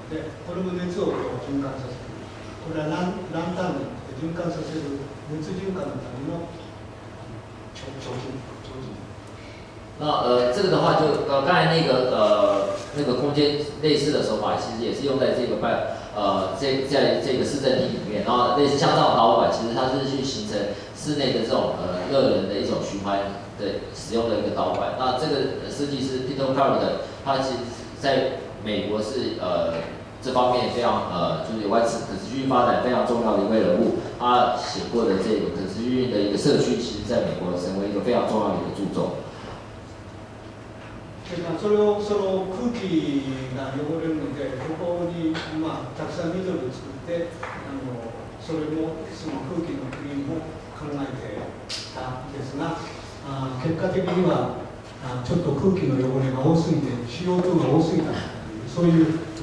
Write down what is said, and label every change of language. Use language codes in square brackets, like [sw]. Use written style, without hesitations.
[ja] でこれも熱を循環させる、これはランタンで循環させる熱循環のための調子。 [zh] 那这个的话就刚才那个空间类似的手法，其实也是用在这个在这个市政厅里面，然后类似像这种导管，其实它是去形成室内的这种热能的一种循环的使用的一个导管。那这个设计师 Peter Carroll 的，他其实在美国是这方面非常就是有关可持续发展非常重要的一位人物，他写过的这个可持续的一个社区，其实在美国成为一个非常重要的一个著作。对啊， [ja] それをその空気が汚れるので、ここにまあたくさん緑を作って、それもその空気のクリーンも考えてたんですが、結果的にはちょっと空気の汚れが多すぎて、CO2が多すぎたという、そういう。